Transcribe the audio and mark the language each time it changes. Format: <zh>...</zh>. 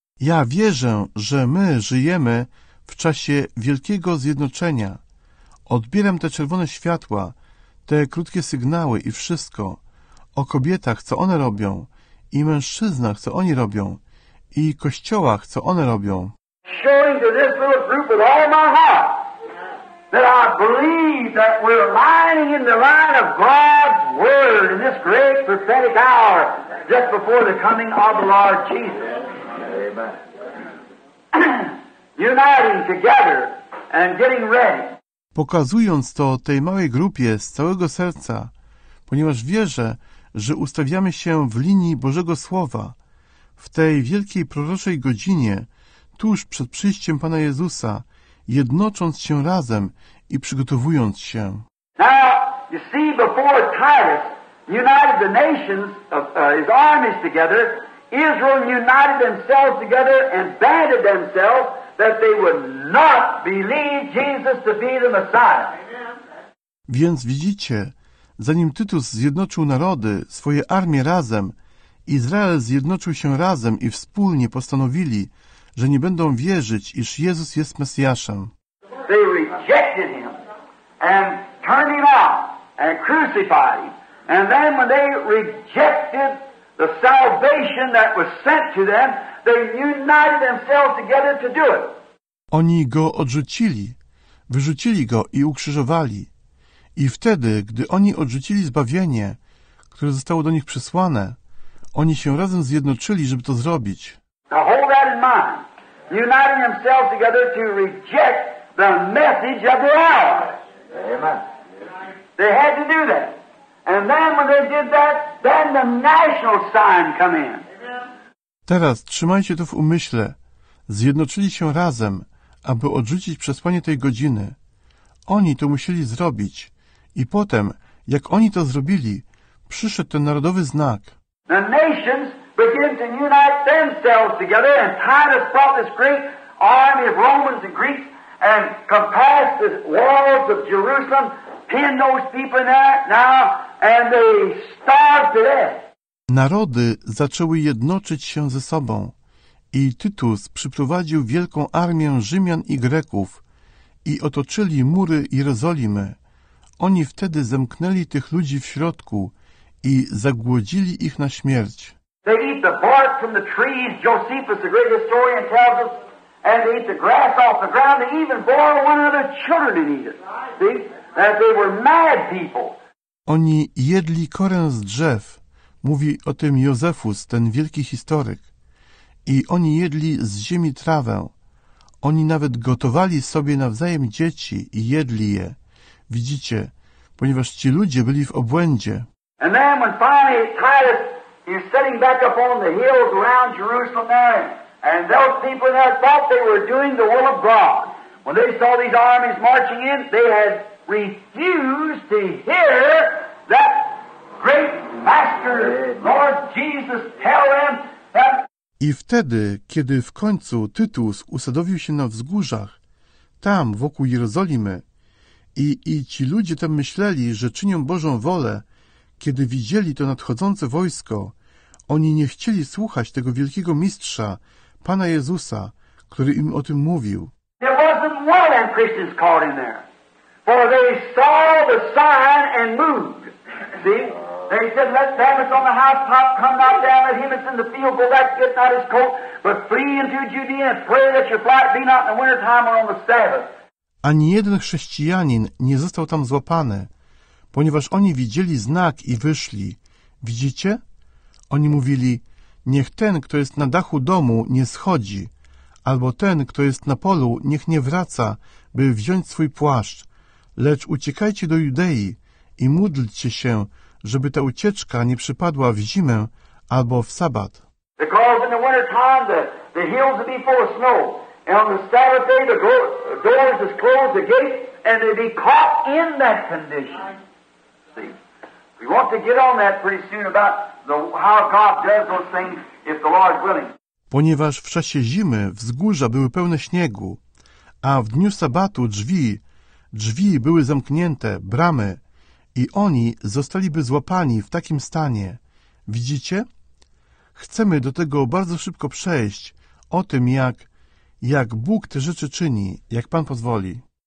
<pl>Ja wierzę, że my żyjemy w czasie wielkiego zjednoczenia. Odbieram te czerwone światła, te krótkie sygnały i wszystko o kobietach, co one robią, i mężczyznach, co oni robią, i kościołach, co one robią.</pl> <en>Showing to this little group with all my heart that I believe that we're lining in the line of God's word in this great prophetic hour just before the coming of the Lord Jesus. Uniting together and getting ready.</en> <pl>Pokazując to tej małej grupie z całego serca, ponieważ wierzę, że ustawiamy się w linii Bożego Słowa, w tej wielkiej proroczej godzinie, tuż przed przyjściem Pana Jezusa, jednocząc się razem i przygotowując się.</pl> <en>Now, you see, before Titus united the nations of his armies together, Israel united themselves together and banded themselves that they would not believe Jesus to be the Messiah.</en> <pl>Więc widzicie, zanim Tytus zjednoczył narody, swoje armie razem, Izrael zjednoczył się razem i wspólnie postanowili, że nie będą wierzyć, iż Jezus jest Mesjaszem.</pl> <en>They rejected him and turned him out and crucified him. And then when they rejected the salvation that was sent to them, they united themselves together to do it.</en> <pl>Oni go odrzucili, wyrzucili go i ukrzyżowali. I wtedy, gdy oni odrzucili zbawienie, które zostało do nich przysłane, oni się razem zjednoczyli, żeby to zrobić.</pl> <en>Now hold that in mind. Uniting themselves together to reject the message of the hour. Amen. They had to do that. And then when they did that, then the national sign come in.</en> <pl>Teraz trzymajcie to w umyśle. Zjednoczyli się razem, aby odrzucić przesłanie tej godziny. Oni to musieli zrobić. I potem, jak oni to zrobili, przyszedł ten narodowy znak.</pl> <en>The nations begin to unite themselves together, and Titus brought this great army of Romans and Greeks and compassed the walls of Jerusalem, pinned those people in there now, and they starved to death.</en> <pl>Narody zaczęły jednoczyć się ze sobą. I Tytus przyprowadził wielką armię Rzymian i Greków i otoczyli mury Jerozolimy. Oni wtedy zamknęli tych ludzi w środku i zagłodzili ich na śmierć.</pl> <en>They eat the bark from the trees, Josephus, the great historian, tells us, and they eat the grass off the ground. They even boil one another's children and eat it. See? That they were mad people.</en> <pl>Oni jedli korę z drzew, mówi o tym Josephus, ten wielki historyk. I oni jedli z ziemi trawę. Oni nawet gotowali sobie nawzajem dzieci i jedli je. Widzicie, ponieważ ci ludzie byli w obłędzie.</pl> <en>And then when finally Titus is sitting back up on the hills around Jerusalem there, and those people there thought they were doing the will of God. When they saw these armies marching in, they had refused to hear that great master, Lord Jesus, tell them that.</en> <pl>I wtedy, kiedy w końcu Tytus usadowił się na wzgórzach, tam, wokół Jerozolimy, i ci ludzie tam myśleli, że czynią Bożą wolę, kiedy widzieli to nadchodzące wojsko, oni nie chcieli słuchać tego wielkiego mistrza, Pana Jezusa, który im o tym mówił.</pl> <en>There wasn't one of Christians caught in there, for they saw the sign and moved. See? They said, let them that's on the housetop come not down, let him that's in the field go back, get not his coat, but flee into Judea and pray that your flight be not in the winter time or on the Sabbath.</en> <pl>Ani jeden chrześcijanin nie został tam złapany, ponieważ oni widzieli znak i wyszli. Widzicie? Oni mówili, niech ten, kto jest na dachu domu, nie schodzi, albo ten, kto jest na polu, niech nie wraca, by wziąć swój płaszcz. Lecz uciekajcie do Judei i módlcie się, żeby ta ucieczka nie przypadła w zimę albo w sabat.</pl> <en>Because in the winter time the hills will be full of snow. And on the Sabbath day the doors is closed, the gates, and they'll be caught in that condition. See? We want to get on that pretty soon about how God does those things if the Lord's willing.</en> <pl>Ponieważ w czasie zimy wzgórza były pełne śniegu, a w dniu sabatu drzwi były zamknięte, bramy, i oni zostaliby złapani w takim stanie. Widzicie? Chcemy do tego bardzo szybko przejść, o tym, jak Bóg te rzeczy czyni, jak Pan pozwoli.</pl>